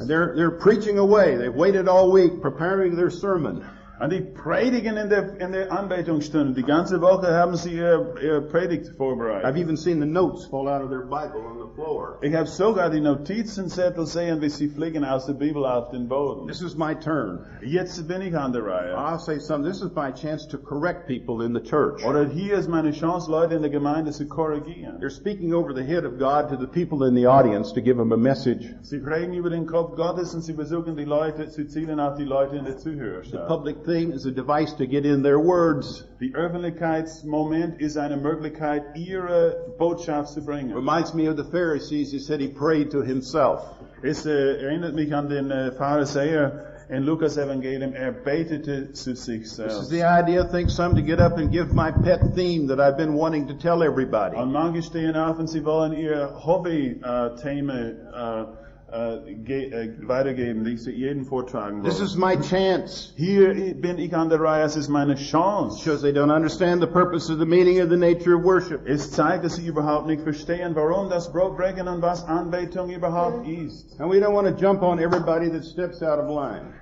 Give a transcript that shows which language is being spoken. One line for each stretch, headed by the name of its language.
English: They're preaching away. They've waited all week preparing their sermon.
German: Und die predigen in der Anbetungsstunde. Die ganze Woche haben sie ihre Predigt vorbereitet.
English: I've even seen the notes fall out of their Bible on the floor.
German: Ich habe sogar die Notizenzettel sehen, wie sie fliegen aus der Bibel auf den Boden.
English: This is my turn.
German: Jetzt bin ich an der Reihe.
English: I'll say something. This is my chance to correct people in the church.
German: Oder hier ist meine Chance, Leute in der Gemeinde zu korrigieren.
English: They're speaking over the head of God to the people in the audience to give them a message.
German: Sie reden über den Kopf Gottes und sie versuchen die Leute zu zielen auf die Leute in der Zuhörerschaft.
English: Thing is a device to get in their words.
German: The Öffentlichkeitsmoment ist eine Möglichkeit, ihre Botschaft zu bringen.
English: Reminds me of the Pharisees. He said he prayed to himself.
German: Es erinnert mich an den Pharisäer in Lukas Evangelium. Er betete zu sich selbst.
English: This is the idea, think some, to get up and give my pet theme that I've been wanting to tell everybody.
German: Und manche stehen auf und sie wollen ihr Hobby Thema weitergeben, die sie jeden vortragen wollen.
English: This is my chance.
German: Hier bin ich an der Reihe, es ist meine Chance.
English: It shows they don't understand the purpose of the meaning of the nature of worship.
German: Es zeigt, dass sie überhaupt nicht verstehen, warum das Brotbrechen und was Anbetung überhaupt ist.
English: And we don't want to jump on everybody that steps out of line.